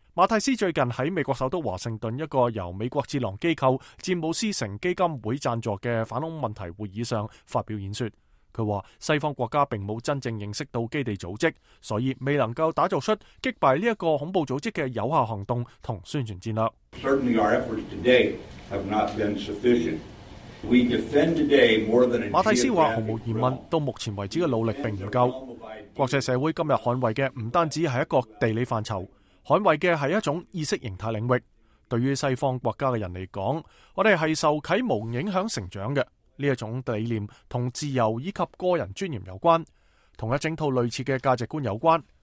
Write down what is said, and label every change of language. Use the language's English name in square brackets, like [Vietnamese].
[Cantonese] 马蒂斯最近在美国首都华盛顿一个由美国智囊机构詹姆斯城基金会赞助的反恐问题会议上发表演说。他说，西方国家并没有真正认识到基地组织，所以未能够打造出击败这个恐怖组织的有效行动和宣传战略。 [English] Certainly our efforts today have not been sufficient. We defend today more than a geographic realm. [Cantonese] 马蒂斯说，毫无疑问，到目前为止的努力并不够。国际社会今日捍卫的不单止是一个地理范畴，捍卫的是一种意识形态领域。对于西方国家的人来说，我们是受启蒙影响成长的。这种理念和自由以及个人尊严有关，同一整套类似的价值观有关。